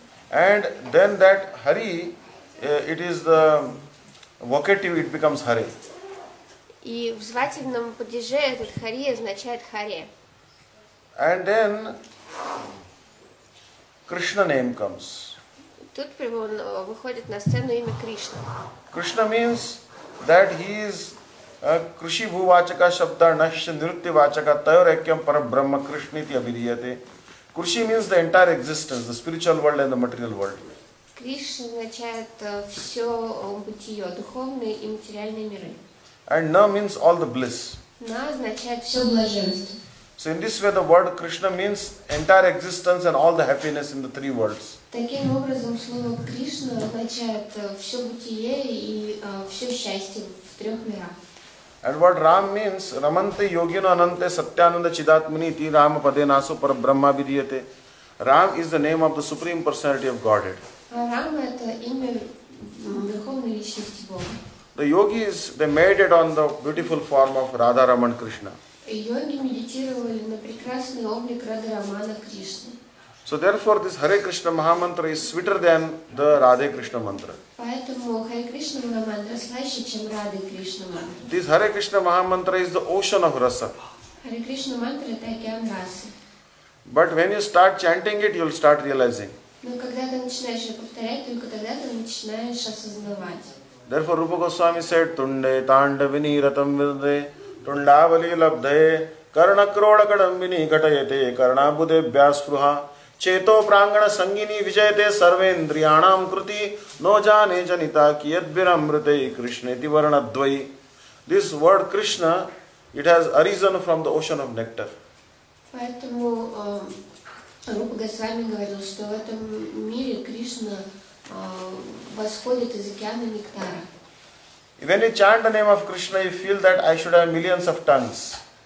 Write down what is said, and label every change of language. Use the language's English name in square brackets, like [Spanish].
[English] And then that Hari, it is the vocative, it becomes Hare. [Russian] И в звательном падеже этот Хари означает Харе. [English] And then Krishna name comes. [Russian] Тут выходит на сцену имя Кришна. [English] Krishna means that he is [Sanskrit] Krishi Bhuvachaka Shabda Nashya Nirutti Vachaka Tayorakyam Parabrahma Krishniti Abhiriyate. [English] Krishi means the entire existence, the spiritual world and the material world. [Russian] Krishna означает все бытие, духовные и материальные миры. [English] And Na means all the bliss. [Russian] Na означает все блаженство. [English] So in this way the word Krishna means entire existence and all the happiness in the three worlds. [Russian] Таким образом слово Кришна означает все бытие и все счастье в трех мирах. [English] And what Ram means, [Sanskrit] Ramante Yogino Anante Satyananda Chidatmani Iti Rama Padenasu Parabrahma Vidyate. [English] Ram is the name of the Supreme Personality of Godhead. [Russian] Ram – это имя Верховной Личности Бога. [English] The yogis, they meditate on the beautiful form of Radha Raman Krishna. [Russian] Йоги медитировали на прекрасный облик Радха Рамана Кришны. [English] So therefore this Hare Krishna Mahamantra is sweeter than the Radhe Krishna Mantra. [Russian] Поэтому Hare Krishna Mahamantra слаще, чем Radhe Krishna Mantra. [English] This Hare Krishna Mahamantra is the ocean of rasa. [Russian] Hare Krishna Mantra – это океан расы. [English] But when you start chanting it, you'll start realizing. [Russian] Но когда ты начинаешь ее повторять, только тогда ты начинаешь осознавать. [English] Therefore Rupa Goswami said, [Sanskrit] Tunde Tandavini Ratam Vidde, Tundavali Labdhe, Karna Krodakadambini Gatayate, Karna Budhe Vyaspruha, Cheto Prangana Sangini Vijayate Sarvendriyanam Kruti, Nojane Janita Kiyat Viramrute Krishna Divarana Dvai. [English] This word Krishna, it has arisen from the ocean of nectar. [Russian] Поэтому Рупа Госвами говорил, что в этом мире Кришна восходит из океана нектара. [English] When you chant the name of Krishna, you feel that I should have millions of tongues.